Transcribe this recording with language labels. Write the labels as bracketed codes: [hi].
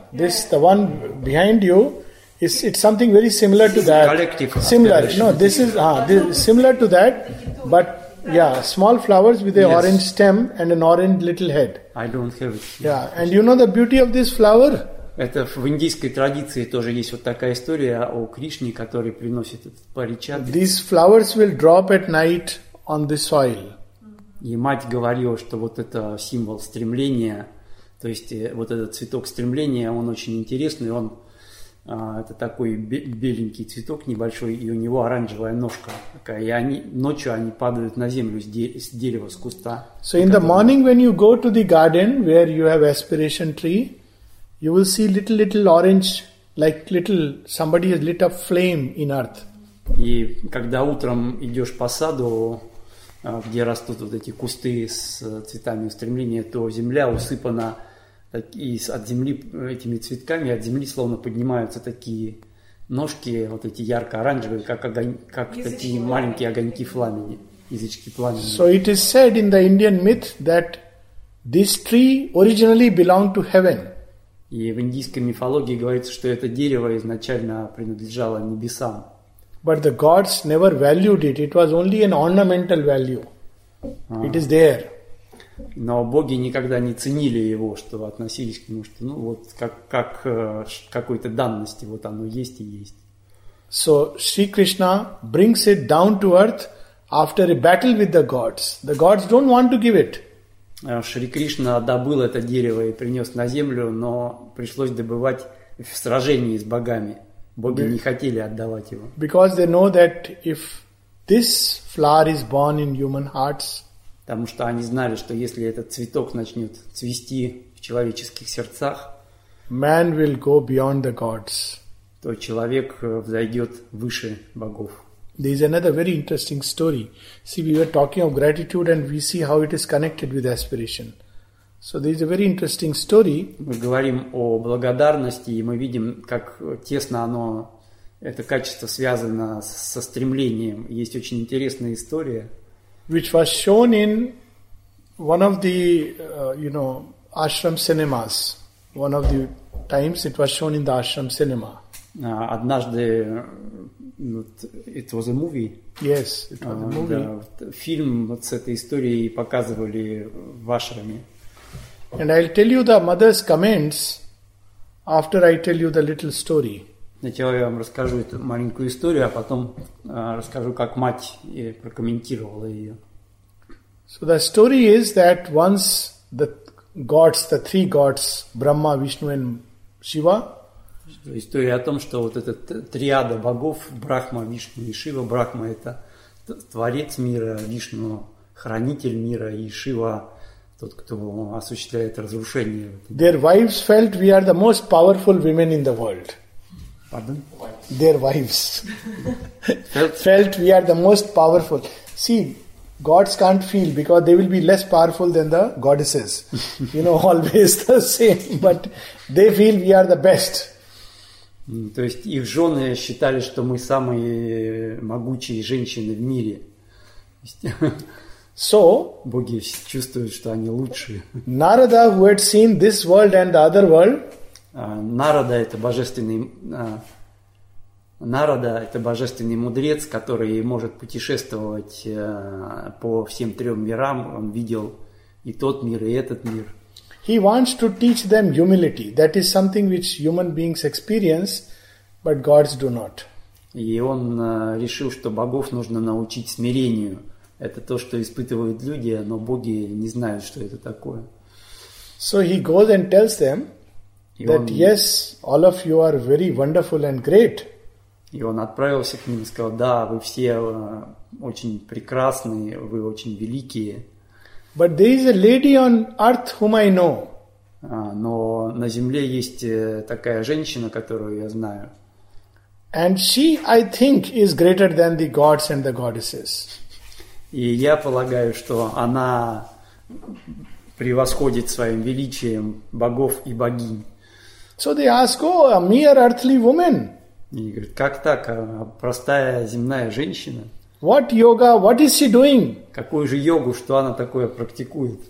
[en] This, the one behind you, it's something very similar to that. Collective. Similar. No, this is similar to that, but yeah, small flowers with an orange stem and an orange little head. I don't have it. Yeah, and you know the beauty of this flower? [ru] Это в индийской традиции тоже есть вот такая история о Кришне, который приносит этот паричат. [en] These flowers will drop at night on the soil. [ru] И мать говорила, что вот это символ стремления, то есть вот этот цветок стремления, он очень интересный, он это такой беленький цветок небольшой, и у него оранжевая ножка такая, и они, ночью они падают на землю с дерева, с куста. [en] So in the morning when you go to the garden where you have aspiration tree, you will see little orange, like little somebody has lit up flame in earth. [ru] И когда утром идешь по саду, где растут вот эти кусты с цветами устремления, то земля усыпана так, и от земли этими цветками, от земли словно поднимаются такие ножки, вот эти ярко-оранжевые, как огонь, как язычки такие пламени. Маленькие огоньки пламени, язычки пламени. [en] So it is said in the Indian myth that this tree originally belonged to heaven. [ru] И в индийской мифологии говорится, что это дерево изначально принадлежало небесам. [en] But the gods never valued it. It was only an ornamental value. It is there. [ru] Но боги никогда не ценили его, что относились к нему, что ну вот как какой-то данности, вот оно есть и есть. [en] So Sri Krishna brings it down to earth after a battle with the gods. The gods don't want to give it. [ru] Шри Кришна добыл это дерево и принес на землю, но пришлось добывать в сражении с богами. Боги не хотели отдавать его. [en] Because they know that if this flower is born in human hearts, [ru] потому что они знали, что если этот цветок начнет цвести в человеческих сердцах, [en] man will go beyond the gods. [ru] То человек взойдет выше богов. [en] There is another very interesting story. See, we were talking of gratitude and we see how it is connected with aspiration. So there is a very interesting story. [ru] Мы говорим о благодарности, и мы видим, как тесно оно, это качество связано со стремлением. Есть очень интересная история. [en] Which was shown in one of the, ashram cinemas. One of the times it was shown in the ashram cinema. [ru] Однажды, [en] it was a movie. Yes, it was a movie. [ru] Фильм вот с этой историей показывали в ашраме. [en] And I'll tell you the mother's comments after I tell you the little story. [ru] Сначала я вам расскажу эту маленькую историю, а потом расскажу, как мать прокомментировала ее. [en] So the story is that once the gods, the three gods, Brahma, Vishnu and Shiva. [ru] История о том, что вот эта триада богов, Брахма, Вишну и Шива. Брахма – это творец мира, Вишну – хранитель мира, и Шива – тот, кто осуществляет разрушение. [en] Their wives felt we are the most powerful women in the world. Pardon? Their wives felt we are the most powerful. See, gods can't feel because they will be less powerful than the goddesses. You know, always the same. But they feel we are the best. [ru] То есть их жены считали, что мы самые могучие женщины в мире. [en] So, [ru] боги чувствуют, что они лучшие. [en] Narada, who had seen this world and the other world, [ru] Narada это божественный Narada это божественный мудрец, который может путешествовать по всем трем мирам. Он видел и тот мир, и этот мир. [en] He wants to teach them humility. That is something which human beings experience, but gods do not. [ru] И он решил, что богов нужно научить смирению. Это то, что испытывают люди, но боги не знают, что это такое. [en] So he goes and tells them that yes, all of you are very wonderful and great. [ru] И он отправился к ним и сказал: да, вы все очень прекрасные, вы очень великие. [en] But there is a lady on earth whom I know. [ru] Но на земле есть такая женщина, которую я знаю. [en] And she, I think, is greater than the gods and the goddesses. [ru] И я полагаю, что она превосходит своим величием богов и богинь. [en] So they ask, oh, a mere earthly woman. [ru] И говорит, как так, простая земная женщина? [en] What yoga? What is she doing? [ru] Какую же йогу, что она такое практикует?